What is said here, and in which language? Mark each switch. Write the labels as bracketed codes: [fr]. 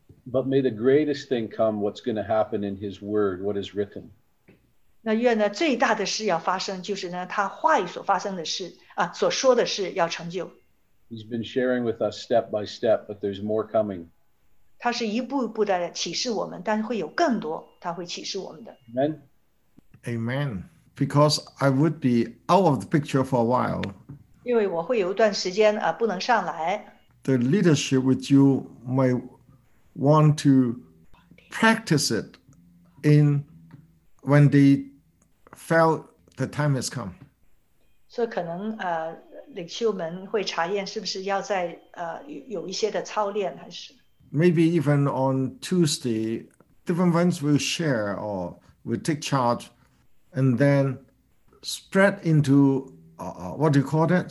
[en] But may the greatest thing come, what's going to happen in his word, what is written. [zh] 那愿呢, 最大的事要发生, 就是呢, 他话语所发生的事, 啊, 所说的事要成就。 [en] He's been sharing with us step by step, but there's more coming. [zh] 他是一步一步的启示我们, 但会有更多, 他会启示我们的。 [en] Amen. Amen. Because I would be out of the picture for a while. [zh] 因为我会有一段时间, 不能上来。 [en] The leadership with you may want to practice it in when they felt the time has come. [zh] So 可能, 领袖们会查验是不是要在, 有一些的操练还是? [en] Maybe even on Tuesday, different ones will share or will take charge and then spread into, what do you call that?